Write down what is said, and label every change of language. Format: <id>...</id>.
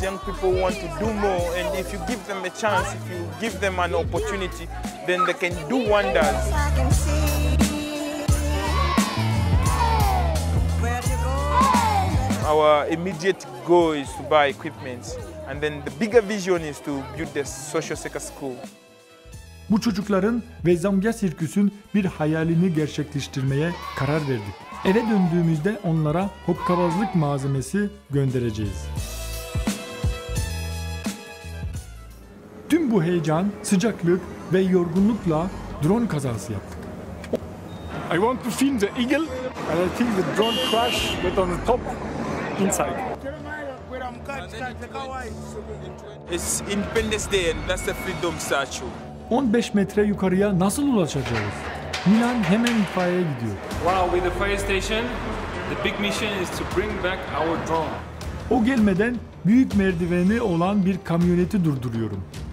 <en>No young people want to do more, and if you give them a chance, if you give them an opportunity, then they can do wonders. Our immediate goal is to buy equipment. And then the bigger vision is to build the social circus school.</en> <tr>Bu çocukların ve Zambiya Sirküs'ün bir hayalini gerçekleştirmeye karar verdik. Eve döndüğümüzde onlara hopkabazlık malzemesi göndereceğiz. Tüm bu heyecan, sıcaklık ve yorgunlukla drone kazası yaptık.</tr> <en>I want to film the eagle and I think the drone crash went on the top inside. It's Independence Day and that's the freedom statue.</en> <tr>15 metre yukarıya nasıl ulaşacağız? Milan hemen itfaiyeye gidiyor.</tr> <en>Wow, with the fire station, the big mission is to bring back our drone.</en> <tr>O gelmeden büyük merdiveni olan bir kamyoneti durduruyorum.</tr>